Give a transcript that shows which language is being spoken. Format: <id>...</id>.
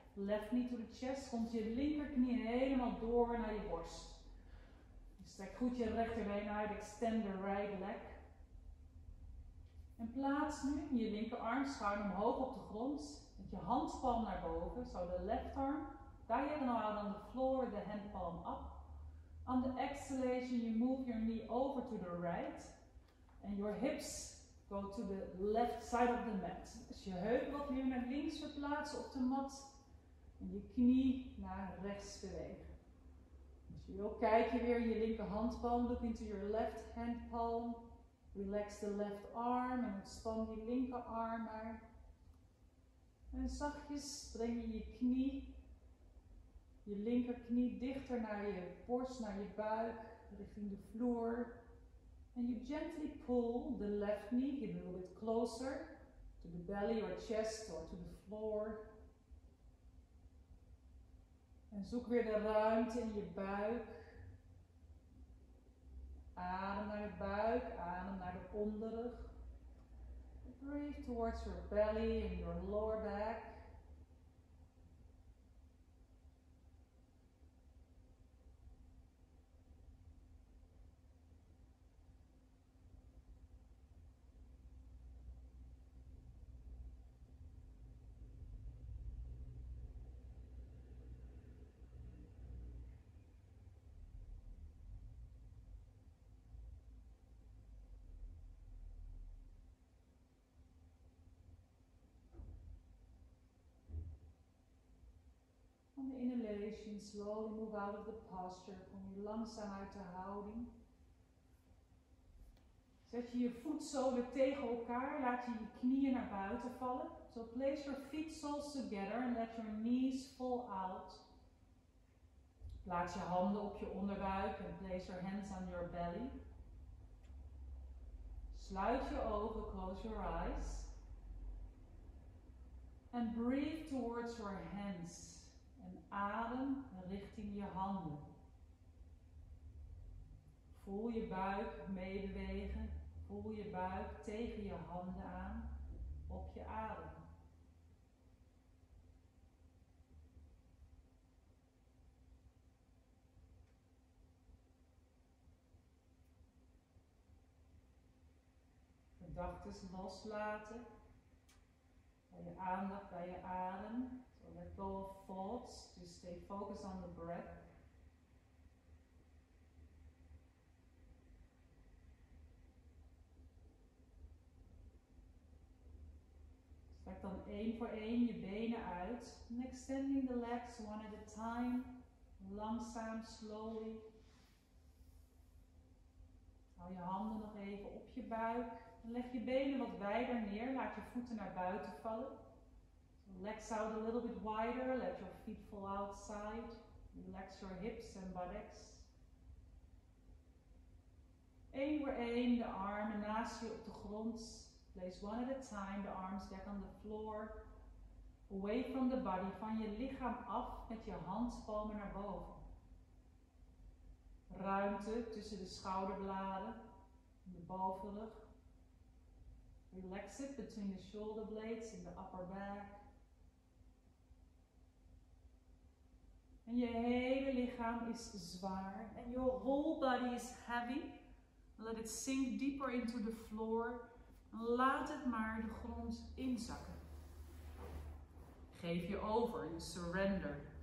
<en>Left knee to the chest,</en> <nl>komt je linkerknie helemaal door naar je borst. Strek goed je rechterbeen uit,</nl> <en>extend the right leg.</en> <nl>En plaats nu je linkerarm schuin omhoog op de grond, met je handpalm naar boven,</nl> <en>so the left arm, diagonal on the floor, the hand palm up. On the exhalation, you move your knee over to the right, and your hips go to the left side of the mat.</en> <nl>Dus je heup wat meer naar links verplaatsen op de mat, en je knie naar rechts bewegen. Als je wil, kijk je weer in je linkerhandpalm.</nl> <en>Look into your left hand palm. Relax the left arm</en> <nl>en ontspan die linkerarm maar. En zachtjes breng je je knie, je linkerknie dichter naar je borst, naar je buik, richting de vloer. En</nl> <en>you gently pull the left knee a little bit closer to the belly or chest or to the floor.</en> <nl>En zoek weer de ruimte in je buik. Adem naar de buik, adem naar de onderrug.</nl> <en>Breathe towards your belly and your lower back. Inhalation, slowly move out of the posture.</en> <nl>Kom je langzaam uit de houding. Zet je je voetzolen tegen elkaar. Laat je je knieën naar buiten vallen.</nl> <en>So place your feet soles together and let your knees fall out.</en> <nl>Plaats je handen op je onderbuik</nl> <en>and place your hands on your belly.</en> <nl>Sluit je ogen,</nl> <en>close your eyes. And breathe towards your hands.</en> <nl>En adem richting je handen. Voel je buik meebewegen. Voel je buik tegen je handen aan op je adem. Gedachten loslaten. Bij je aandacht, bij je adem.</nl> <en>Let go of thoughts, just stay focused on the breath.</en> <nl>Strek dan één voor één je benen uit.</nl> <en>And extending the legs one at a time.</en> <nl>Langzaam, slowly. Hou je handen nog even op je buik. En leg je benen wat wijder neer. Laat je voeten naar buiten vallen.</nl> <en>Legs out a little bit wider, let your feet fall outside. Relax your hips and buttocks.</en> <nl>Eén voor één, de armen naast je op de grond.</nl> <en>Place one at a time, the arms back on the floor. Away from the body,</en> <nl>van je lichaam af met je handpalmen naar boven. Ruimte tussen de schouderbladen en de bovenrug.</nl> <en>Relax it between the shoulder blades and the upper back.</en> <nl>En je hele lichaam is zwaar.</nl> <en>And your whole body is heavy. Let it sink deeper into the floor.</en> <nl>Laat het maar de grond inzakken. Geef je over.</nl> <en>You surrender.</en>